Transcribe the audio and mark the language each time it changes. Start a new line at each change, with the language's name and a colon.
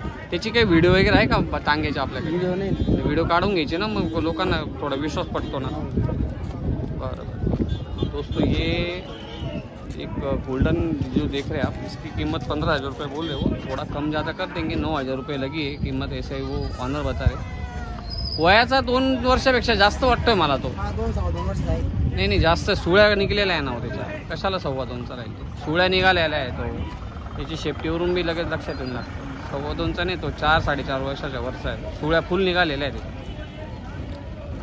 Marathi: त्याची काही व्हिडिओ वगैरे आहे का टांग्याचे? आपल्याकडे व्हिडिओ नाही। व्हिडिओ काढून घ्यायचे ना, मग लोकांना थोडा विश्वास पडतो ना।
Hindi: बर दोस्तों, ये एक गोल्डन जो देख रहे आप, इसकी कीमत 15,000 रुपये बोल रहे हो, थोड़ा कम ज़्यादा कर देंगे, 9,000 रुपये लगी है कीमत, ऐसे ही वो ऑनर बता रहे।
Marathi: वयाचा 2 वर्षापेक्षा जास्त वाटतो आहे मला तो। नाही नाही, जास्त सुळ्या निघालेल्या आहे ना त्याच्या, कशाला 2.25 राहील? सुळ्या निघालेल्या आहे तो, त्याची शेफ्टीवरून बी लगेच लक्षात येईल ना। 2.25 नाही तो, 4-4.5 वर्षाच्या वरचा आहे, सुळ्या फुल निघालेल्या आहे त्याच्या।